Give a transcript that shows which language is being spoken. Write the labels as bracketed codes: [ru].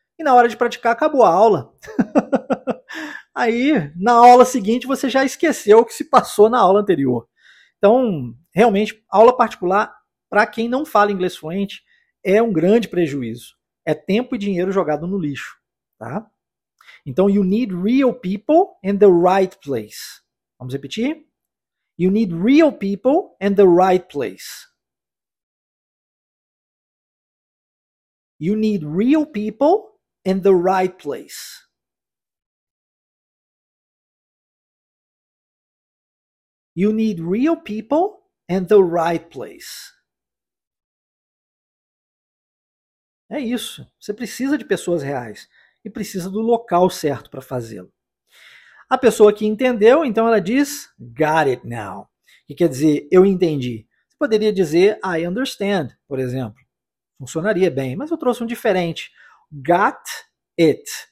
[pt] E na hora de praticar, acabou a aula. Aí, na aula seguinte, você já esqueceu o que se passou na aula anterior. Então, realmente, aula particular, para quem não fala inglês fluente, é um grande prejuízo. É tempo e dinheiro jogado no lixo, tá? [en] Então, you need real people in the right place. [pt] Vamos repetir? [en] You need real people in the right place. You need real people in the right place. You need real people in the right place. [pt] É isso. Você precisa de pessoas reais e precisa do local certo para fazê-lo. A pessoa que entendeu, então ela diz, [en] got it now. [pt] Que quer dizer, eu entendi. Você poderia dizer, [en] I understand, [pt] por exemplo. Funcionaria bem, mas eu trouxe um diferente. [en] Got it.